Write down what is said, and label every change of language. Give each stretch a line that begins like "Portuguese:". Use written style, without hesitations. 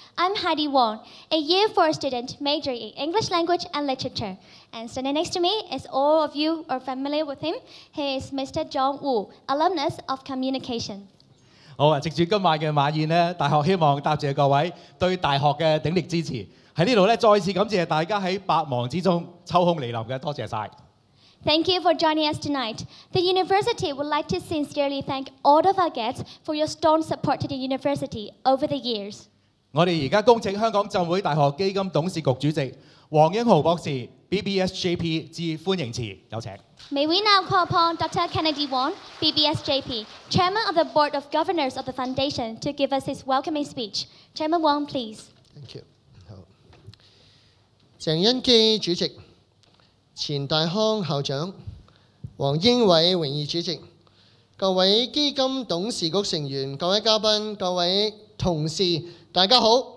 English: I'm Heidi Wong, a Year 4 student majoring in English Language and Literature. And standing next to me is all of you are familiar with him. He is Mr. John Wu, alumnus of Communication.
Cantonese: 好啊！藉住今晚嘅晚宴咧，大學希望答謝各位對大學嘅鼎力支持。喺呢度咧，再次感謝大家喺百忙之中抽空嚟臨嘅，多謝曬。
English: Thank you for joining us tonight. The university would like to sincerely thank all of our guests for your strong support to the university over the years.
Cantonese: 我哋而家恭請香港浸會大學基金董事局主席黃英豪博士 BBS JP 致歡迎詞，有請。
English: May we now call upon Dr. Kennedy Wong, BBS JP, Chairman of the Board of Governors of the Foundation, to give us his welcoming speech. Chairman Wong, please. Thank you.
Cantonese: 好。鄭恩基主席、錢大康校長、黃英偉榮譽主席、各位基金董事局成員、各位嘉賓、各位同事，大家好。